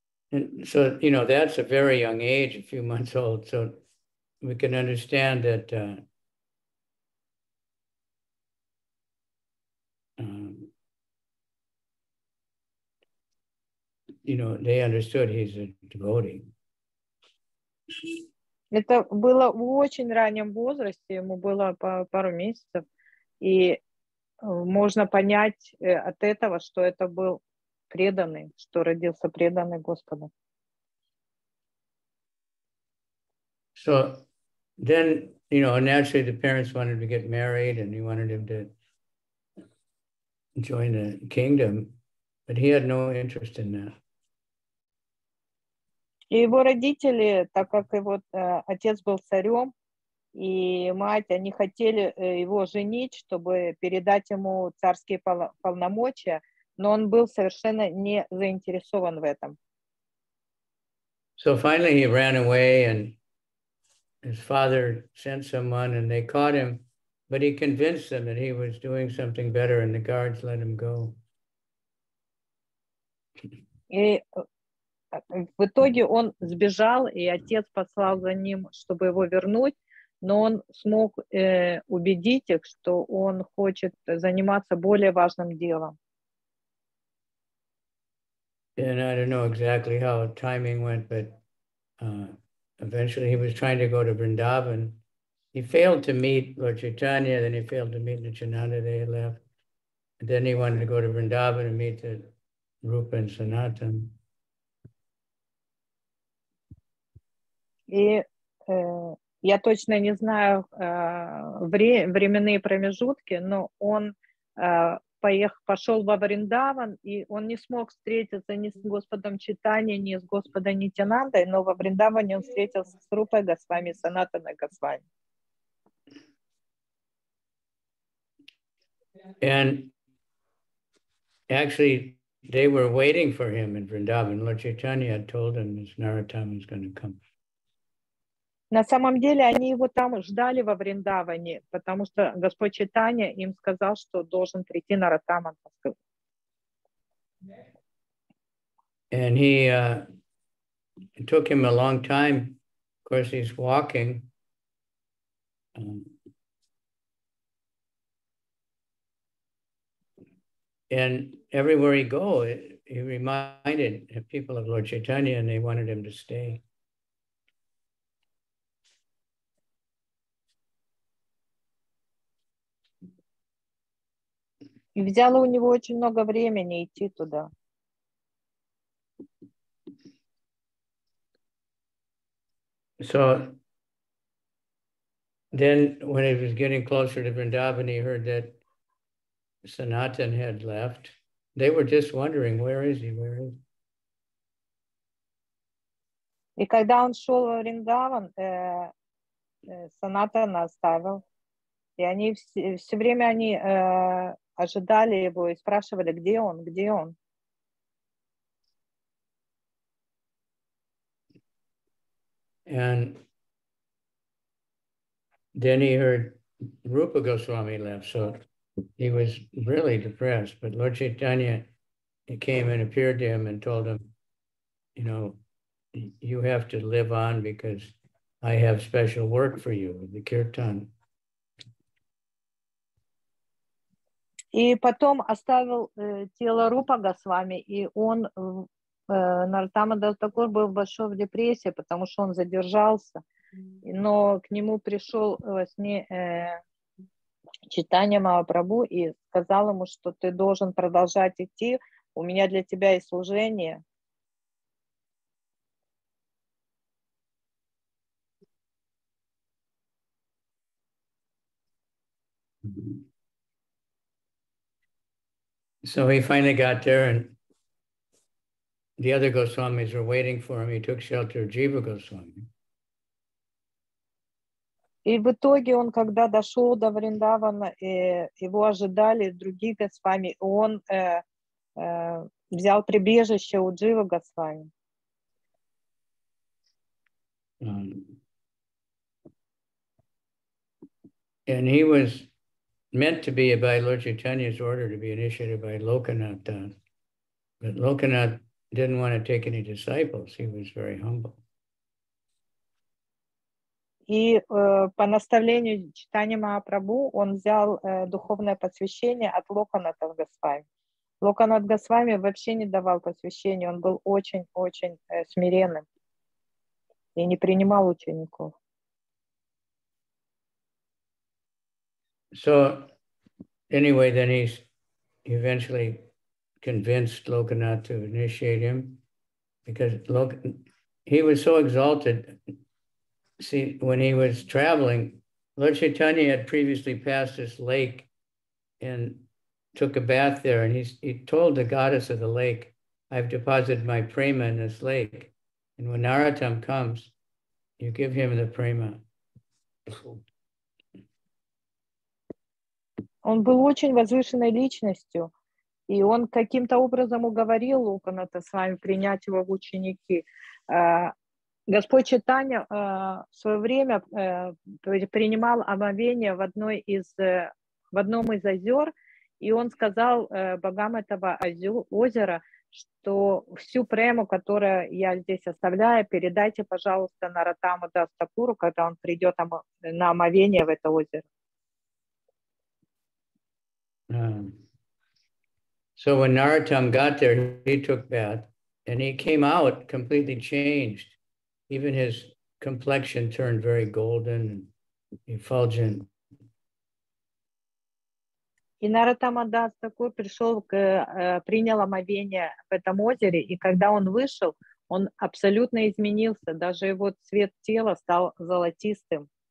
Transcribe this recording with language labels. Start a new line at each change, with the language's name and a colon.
English: And so, you know, that's a very young age, a few months old. So we can understand that. You know, they understood he's a devotee.
Russian: Это было в очень раннем возрасте, ему было пару месяцев, и можно понять от этого, что это был преданный, что родился преданный Господу.
English: So then, you know, naturally the parents wanted to get married and he wanted him to join the kingdom, but he had no interest in that.
Russian: И его родители, так как его отец был царем, и мать, они хотели его женить, чтобы передать ему царские полномочия, но он был совершенно не заинтересован в этом.
English: So finally he ran away, and his father sent someone, and they caught him, but he convinced them that he was doing something better, and the guards let him go.
Russian: В итоге он сбежал, и отец послал за ним, чтобы его вернуть, но он смог убедить их, что он хочет заниматься более важным делом.
English: And I don't know exactly how timing went, but eventually he was trying to go to Vrindavan. He failed to meet Lord Chaitanya, then he failed to meet Nityananda, they left. And then he wanted to go to Vrindavan and meet the Rupa and Sanatan.
Russian: И я точно не знаю временные промежутки, но он пошел во Вриндаван, и он не смог встретиться ни с Господом Читания, ни с Господом Нитянандой, но во Вриндаване он встретился с Рупой Госвами, Санатаной Госвами.
English: And actually, they were waiting for him in Vrindavan. Lord Chaitanya had told him his Narottam was going to come.
Russian: На самом деле они его там ждали во Вриндаване, потому что Господь Чайтанья им сказал, что должен прийти Нараттама.
English: And he it took him a long time. Of course, he's walking. And everywhere he go, he reminded people of Lord Chaitanya, and they wanted him to stay.
Russian: И взяло у него очень много времени идти туда.
English: So then when he was getting closer to Vrindavan, he heard that Sanatan had left. They were just wondering, where is he? Where is he?
Russian: И когда он шел во Вриндаван, Санатана оставил. И они все время они ожидали его и спрашивали, где он, где он.
English: And then he heard Rupa Goswami left, so he was really depressed. But Lord Chaitanya came and appeared to him and told him, you know, you have to live on because I have special work for you, the kirtan.
Russian: И потом оставил тело Рупа Госвами, и он, Нартама Дастакур, был в большой депрессии, потому что он задержался, но к нему пришел во сне Чайтанья Махапрабху и сказал ему, что ты должен продолжать идти, у меня для тебя есть служение.
English: So he finally got there, and the other Goswamis were waiting for him. He took shelter of Jiva Goswami.
Russian: И в итоге он, когда дошел до Вриндавана, его ожидали другие Госвами. Он взял прибежище у Джива Госвами.
English: And he was meant to be by Lord Chaitanya's order to be initiated by Lokanath. But Lokanath didn't want to take any disciples. He was very humble.
Russian: И по наставлению Чайтанья Махапрабху он взял духовное посвящение от Локанатха Госвами. Локанатха Госвами вообще не давал посвящения. Он был очень-очень смиренным и не принимал учеников.
English: So, anyway, then he's eventually convinced Lokanath to initiate him because he was so exalted. See, when he was traveling, Lord Chaitanya had previously passed this lake and took a bath there, and he told the goddess of the lake, I've deposited my prema in this lake, and when Narottam comes, you give him the prema.
Russian: Он был очень возвышенной личностью, и он каким-то образом уговорил Лукана-то с вами принять его в ученики. Господь Чайтанья в свое время принимал омовение в одном из озер, и он сказал богам этого озера, что всю прему, которую я здесь оставляю, передайте, пожалуйста, Нараттаму Дастакуру, когда он придет на омовение в это озеро.
English: So when Narottam got there, he took bath, and he came out completely changed. Even his complexion turned very golden and effulgent.
Russian: И Нараттама Дастакур пришел, принял омовение в этом озере, и когда он вышел, он абсолютно изменился, даже его цвет тела стал золотистым.